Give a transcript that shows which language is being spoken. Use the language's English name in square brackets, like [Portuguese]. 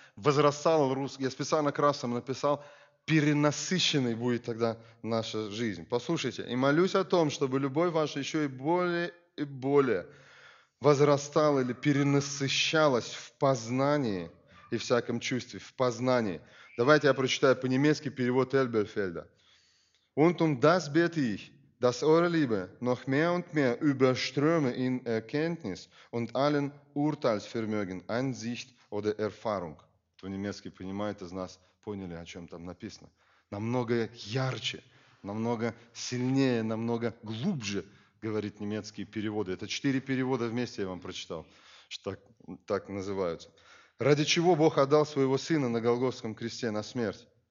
[Russian] Возрастал русский, я специально красным написал, перенасыщенной будет тогда наша жизнь. Послушайте. И молюсь о том, чтобы любовь ваша еще и более возрастала или перенасыщалась в познании и всяком чувстве, в познании. Давайте я прочитаю по-немецки перевод Эльберфельда. [German] Und um das bete ich, dass eure Liebe noch mehr und mehr überströme in Erkenntnis und allen Urteilsvermögen, Einsicht oder Erfahrung. [Russian] Кто немецкий понимает из нас, поняли, о чем там написано. Намного ярче, намного сильнее, намного глубже, говорит немецкие переводы. Это 4 перевода вместе я вам прочитал, что так называются. Ради чего Бог отдал своего Сына на Голгофском кресте на смерть?